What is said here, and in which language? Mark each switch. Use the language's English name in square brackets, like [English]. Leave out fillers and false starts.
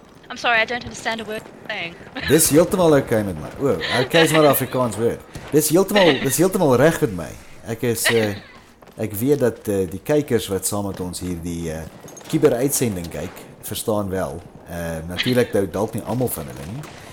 [English] I'm sorry, I don't understand a word saying. [Afrikaans] Dis heeltemal okay met my. [English] Oh, okay is not Afrikaans word. [Afrikaans] Dis heeltemal reg met my. Ek is ek weet dat die kykers wat saam met ons hier die kiber uitsending kyk, verstaan wel. Natuurlik dalk nie almal van hulle nie.